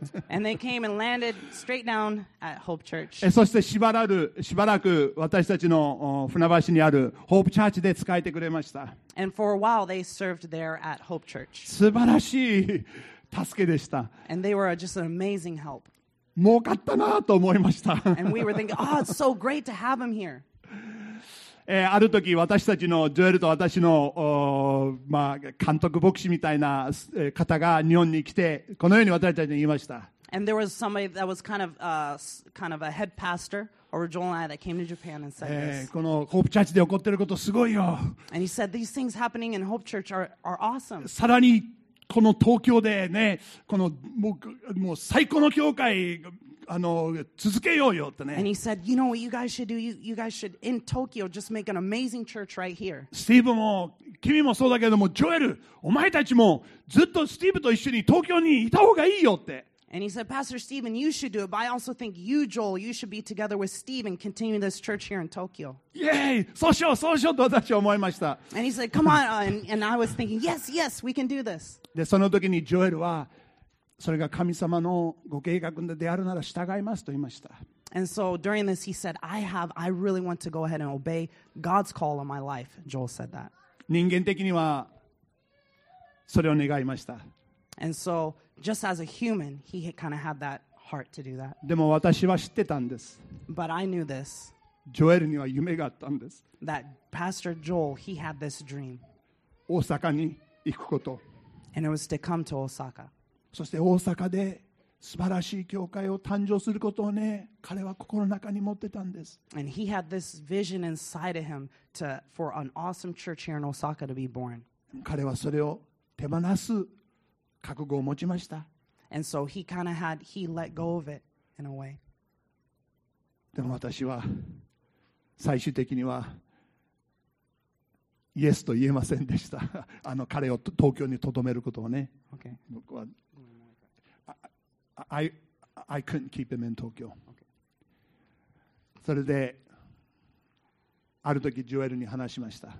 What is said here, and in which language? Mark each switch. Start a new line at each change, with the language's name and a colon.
English: And they came and landed straight down at Hope Church.
Japanese: そしてしばらく私たちの船橋にあるホープチャーチで仕えてくれました。
English: And for a while they served there at Hope Church.
Japanese: 素晴らしい助けでした。
English: And they were just an amazing help.
Japanese: 儲かったなと思いました。
English: And we were thinking, oh, it's so great to have him here.
Japanese: ある時私たちのジョエルと私の、まあ、監督牧師みたいな方が日本に来てこのように私たちに言いました。
English: And there was somebody that was kind of a head pastor. Or Joel and I that came to Japan and said this.
Japanese: このホープチャーチで起こっていることすごいよ。
English: And he said these things happening in Hope Church are awesome.
Japanese: さらにこの東京でね、このもう最高の教会続けようよってね。
English: And he said, you know what you guys should do? You guys should in Tokyo just make an amazing church right here.
Japanese: スティーブも君もそうだけども、ジョエル、お前たちもずっとスティーブと一緒に東京にいた方がいいよって。
English: And he said, Pastor Stephen, you should do it. But I also think you, Joel, you should be together with Stephen, continue this church here in Tokyo. Yay!
Japanese: そうしよう、そうしようと私は思いました。
English: And he said, come on. And I was thinking, yes, yes, we can do this.
Japanese: で、その時にジョエルは、それが神様のご計画であるなら従いますと言いました。
English: And so during this, he said, I really want to go ahead and obey God's call on my life. Joel said that.
Japanese: 人間的には、それを願いました。
English: And so... Just as a human, he kind of had that heart to do that.
Japanese: でも私は知ってたんです。
English: But I knew this.
Japanese: ジョエルには夢があったんです。
English: That Pastor Joel, he had this dream.
Japanese: 大阪に行くこと。
English: And it was to come to Osaka.
Japanese: そして大阪で素晴らしい教会を誕生することをね、彼は心の中に持ってたんです。
English: And he had this vision inside of him for an awesome church here in Osaka to be born.
Japanese: 彼はそれを手放す。覚悟を持ちました。
English: And so he kind of had, he let go of it in a way.
Japanese: でも私は最終的にはイエスと言えませんでした。彼を東京に留めることをね。
English: Okay.
Japanese: 僕は
English: I couldn't keep him in Tokyo. Okay.
Japanese: それである時ジョエルに話しました。